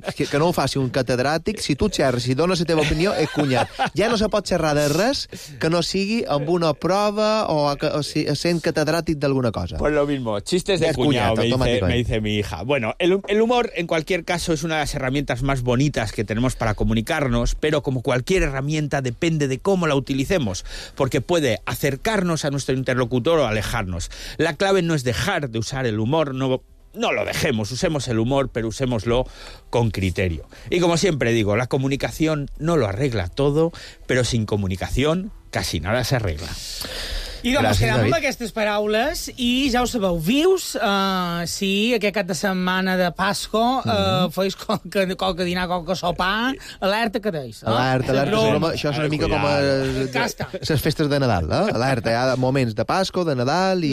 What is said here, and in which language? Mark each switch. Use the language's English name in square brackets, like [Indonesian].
[Catalan] que no ho faci un catedràtic, si tu xerres, si dones la teva opinió, és cunyat. Ja no se pot xerrar de res que no sigui amb una prova o sent catedràtic d'alguna cosa. [Spanish] Pues lo mismo, chistes de cunyado, me dice mi hija. Bueno, el humor, en cualquier caso, es una de las herramientas más bonitas que tenemos para comunicarnos, pero como cualquier herramienta, depende de cómo la utilicemos, porque puede acercarnos a nuestro interlocutor o alejarnos. La clave no es dejar de usar el humor, no lo dejemos, usemos el humor, pero usémoslo con criterio. Y como siempre digo, la comunicación no lo arregla todo, pero sin comunicación casi nada se arregla. [Catalan] I doncs, gràcies, quedem David. Amb aquestes paraules i ja ho sabeu, vius, sí, aquest cap de setmana de Pasco, feis qualque dinar, qualque sopar, alerta que deus. No? Alerta. Però... això és una mica com les festes de Nadal, no? Alerta, hi ha moments de Pasco, de Nadal i...